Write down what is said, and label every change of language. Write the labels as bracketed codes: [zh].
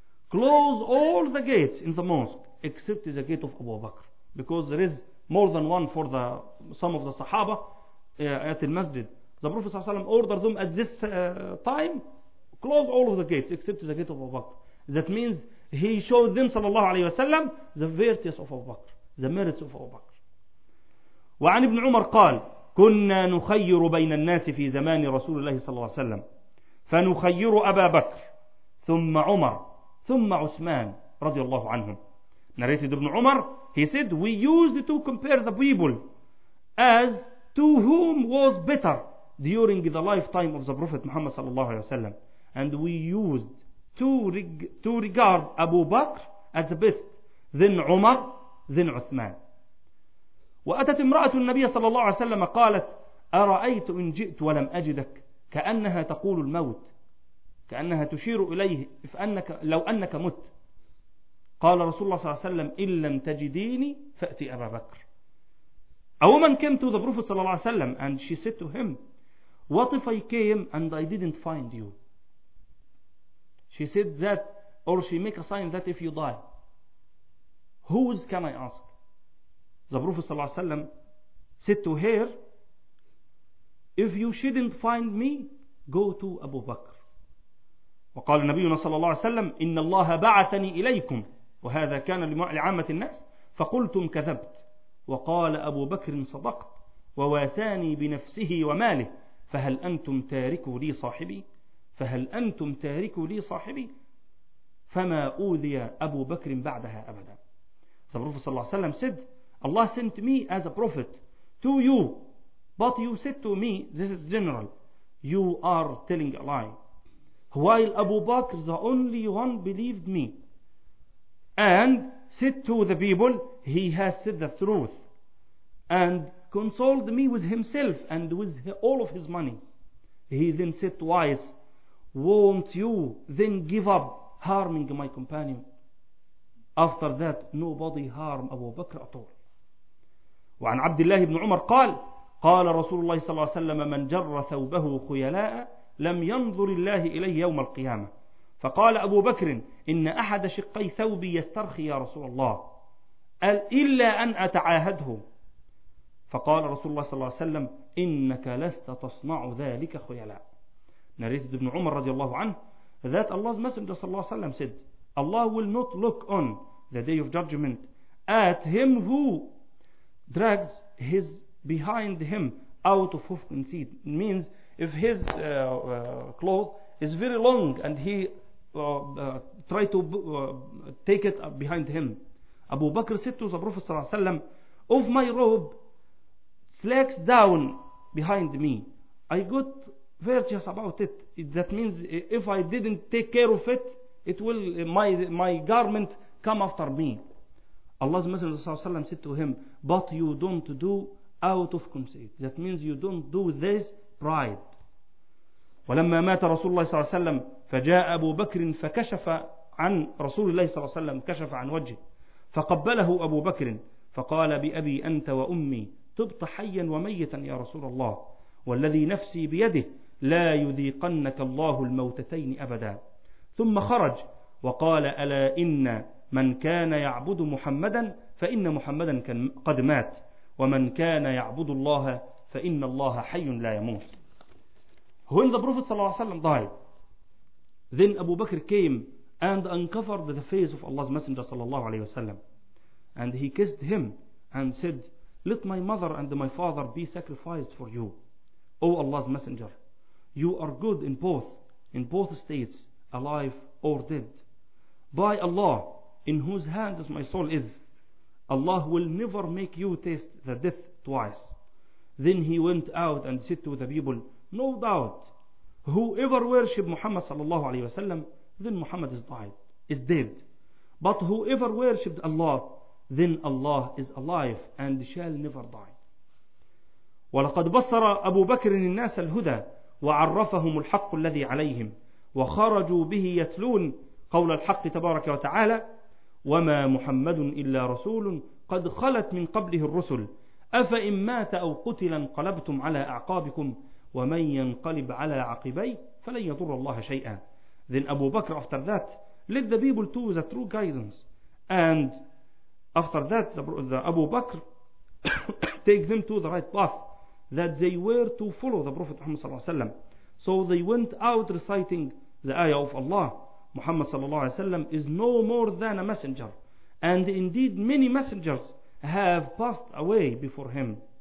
[en] Close all the gates in the mosque except the gate of Abu Bakr, because there is more than one for the some of the Sahaba at the masjid. The Prophet ﷺ ordered them at this time, close all of the gates except the gate of Abu Bakr. That means he showed them [ar] sallallahu alayhi wasallam [en] the virtues of Abu Bakr, the merits of Abu Bakr. [ar] وعن ابن عمر قال كنا نخير بين الناس في زمان رسول الله صلى الله عليه وسلم فنخير أبا بكر ثم عمر ثم عثمان رضي الله عنهم. [en] Narrated ابن عمر, he said, we used to compare the people as to whom was better during the lifetime of the Prophet Muhammad [ar] صلى الله عليه وسلم, [en] and we used to regard Abu Bakr as the best, then عمر, then عثمان. [ar] وأتت امرأة النبي صلى الله عليه وسلم قالت أرأيت إن جئت ولم أجدك كأنها تقول الموت, كأنها تشير إليه, فأنك لو أنك مت. قال رسول الله صلى الله عليه وسلم إن لم تجديني فأتي أبا بكر. [en] A woman came to the Prophet [ar] صلى الله عليه وسلم [en] and she said to him, what if I came and I didn't find you? She said that, or she make a sign that if you die, whose can I ask? The Prophet [ar] صلى الله عليه وسلم [en] said to her, if you shouldn't find me, go to Abu Bakr. [ar] وقال نبينا صلى الله عليه وسلم إن الله بعثني إليكم وهذا كان لعامة الناس فقلتم كذبت وقال أبو بكر صدقت وواساني بنفسه وماله فهل أنتم تاركوا لي صاحبي فهل أنتم تاركوا لي صاحبي فما أوذي أبو بكر بعدها أبدا. [en] The Prophet [ar] صلى الله عليه وسلم [en] said, Allah sent me as a prophet to you, but you said to me, this is general, you are telling a lie, while Abu Bakr the only one believed me and said to the people he has said the truth and consoled me with himself and with all of his money. He then said twice, won't you then give up harming my companion? After that nobody harmed Abu Bakr at all. [ar] وعن عبد الله بن عمر قال قال رسول الله صلى الله عليه وسلم من جر ثوبه خيلاء لم ينظر الله إليه يوم القيامة. فقال أبو بكر إن أحد شقي ثوبي يسترخي يا رسول الله إلا أن أتعاهده. فقال رسول الله صلى الله عليه وسلم إنك لست تصنع ذلك خيلاء. [en] Narrated ابن عمر [ar] رضي الله عنه [en] that Allah's Messenger [ar] صلى الله عليه وسلم [en] said, Allah will not look on the day of judgment at him who drags his behind him out of hoof and seed. It means if his clothes is very long and he try to take it behind him. Abu Bakr said to the Prophet [ar] sallallahu alaihi wasallam, [en] "Of my robe slacks down behind me. I got virtuous about it. That means if I didn't take care of it, it will my garment come after me." Allah's Messenger [ar] sallallahu alaihi wasallam [en] said to him, "But you don't do out of conceit. That means you don't do this pride." [ar] ولما مات رسول الله صلى الله عليه وسلم فجاء أبو بكر فكشف عن رسول الله صلى الله عليه وسلم كشف عن وجهه فقبله أبو بكر فقال بأبي أنت وأمي تبت حيا وميتا يا رسول الله والذي نفسي بيده لا يذيقنك الله الموتتين أبدا ثم خرج وقال ألا إن من كان يعبد محمدا فإن محمدا قد مات ومن كان يعبد الله فإن الله حي لا يموت. [en] When the Prophet [ar] sallallahu alaihi wasallam [en] died, then Abu Bakr came and uncovered the face of Allah's Messenger sallallahu alaihi wasallam, and he kissed him and said, "Let my mother and my father be sacrificed for you, O Allah's Messenger. You are good in both states, alive or dead. By Allah, in whose hands my soul is, Allah will never make you taste the death twice." Then he went out and said to the people, "No doubt, whoever worship Muhammad [ar] sallallahu alaihi wasallam, [en] then Muhammad is dead. But whoever worshipped Allah, then Allah is alive and shall never die." [ar] ولقد بصر أبو بكر الناس الهدى وعرفهم الحق الذي عليهم وخرجوا به يتلون قول الحق تبارك وتعالى وما محمد إلا رسول قد خلت من قبله الرسل أفإن مات أو قتل انقلبتم على أعقابكم ومن ينقلب على عقبي فلن يضر الله شيئا. [en] Then Abu Bakr after that led the people to the true guidance, and after that the Abu Bakr take them to the right path that they were to follow the Prophet Muhammad [ar] sallallahu alaihi wasallam. [en] So they went out reciting the ayah of Allah, Muhammad [ar] sallallahu alaihi wasallam [en] is no more than a messenger, and indeed many messengers have passed away before him.